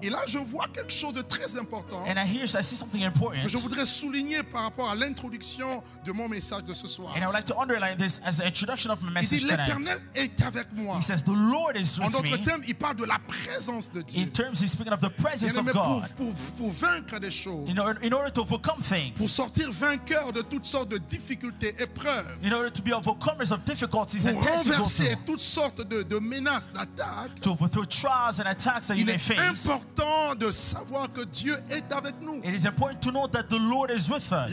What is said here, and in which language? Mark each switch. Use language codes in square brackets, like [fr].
[fr] Et là, je vois quelque chose de très important, [en] and I see something important, [fr] que je voudrais souligner par rapport à l'introduction de mon message de ce soir. [en] And I would like to underline this as an introduction of my message tonight. [fr] Il dit, l'Éternel est avec moi. [en] He says, the Lord is with [fr] me. En d'autres termes, il parle de la présence de Dieu. [en] In terms, he's speaking of the presence of God. [fr] Pour vaincre des choses, [en] in order to overcome things. [fr] Pour sortir vainqueur de toutes sortes de difficultés, épreuves. [en] In order to be overcomers of difficulties [fr] pour [en] and tests. [fr] Pour renverser toutes sortes de menaces, d'attaques. [en] To overthrow trials and attacks that [fr] il [en] you may face. [fr] Il est important de savoir que Dieu est avec nous. [en] It is important to know that the Lord is with us.